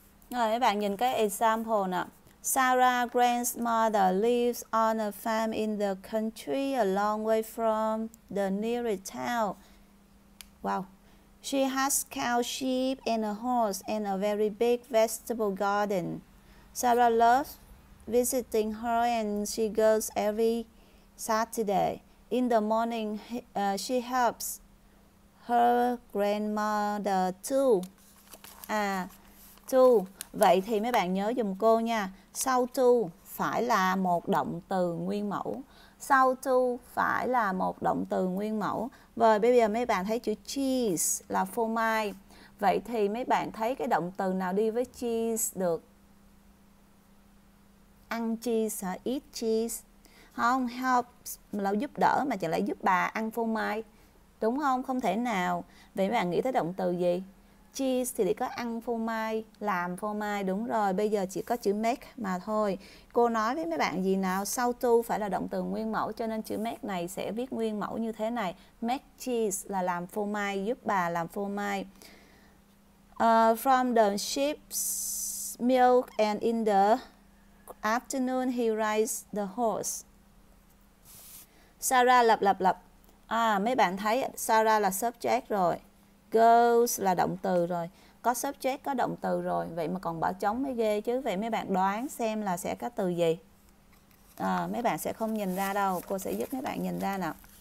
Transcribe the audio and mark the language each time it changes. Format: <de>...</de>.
<vi>Rồi, mấy bạn nhìn cái example nè.</vi> <en>Sarah Grant's mother lives on a farm in the country a long way from the nearest town. Wow. She has cow, sheep and a horse and a very big vegetable garden. Sarah loves visiting her and she goes every Saturday. In the morning, she helps her grandmother too. Too.</en> <vi>Vậy thì mấy bạn nhớ giùm cô nha. Sau to phải là một động từ nguyên mẫu. Sau to phải là một động từ nguyên mẫu. Và bây giờ mấy bạn thấy chữ cheese là phô mai. Vậy thì mấy bạn thấy cái động từ nào đi với cheese được? Ăn cheese hả?</vi> <en>Eat cheese.</en> <vi>Không, help là giúp đỡ mà chẳng lẽ giúp bà ăn phô mai. Đúng không? Không thể nào. Vậy mấy bạn nghĩ tới động từ gì? Cheese thì để có ăn phô mai, làm phô mai, đúng rồi. Bây giờ chỉ có chữ make mà thôi. Cô nói với mấy bạn gì nào? Sau to phải là động từ nguyên mẫu, cho nên chữ make này sẽ viết nguyên mẫu như thế này. Make cheese là làm phô mai, giúp bà làm phô mai.</vi> <en>From the sheep's milk and in the afternoon he rides the horse.</en> <vi>Sarah lập. À, mấy bạn thấy Sarah là subject rồi. Goes là động từ rồi. Có subject, có động từ rồi. Vậy mà còn bỏ trống mới ghê chứ. Vậy mấy bạn đoán xem là sẽ có từ gì? À, mấy bạn sẽ không nhìn ra đâu. Cô sẽ giúp mấy bạn nhìn ra nào.</vi>